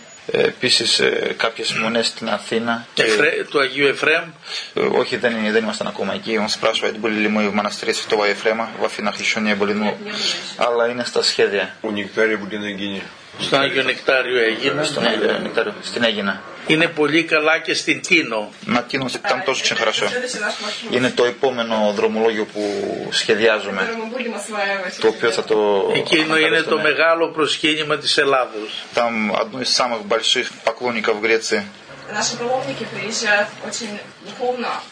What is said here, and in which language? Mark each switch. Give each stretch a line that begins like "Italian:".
Greek: Επίσης κάποιες μονές στην Αθήνα. Του Αγίου Εφραίμ. Όχι, δεν ήμασταν ακόμα εκεί.
Russian: Он спрашивает, были ли мы в монастыре Святого Ефрема. В Афинах еще не были, но...
Greek: Αλλά είναι στα σχέδια.
Russian: У Нектария будет на Гине.
Greek: Στο Άγιο Νεκτάριο Αιγίνα. Στον Άγιο Νεκτάριο, στην Αίγινα. Είναι πολύ καλά και στην Τίνο. Να Τίνο, ήταν τόσο ξεχαρασό. Είναι το επόμενο δρομολόγιο που σχεδιάζουμε. Το οποίο θα το... Εκείνο είναι το μεγάλο προσκύνημα της Ελλάδος.
Russian: Там одно из самых больших поклонников Греции. Наши паломники приезжают очень духовно.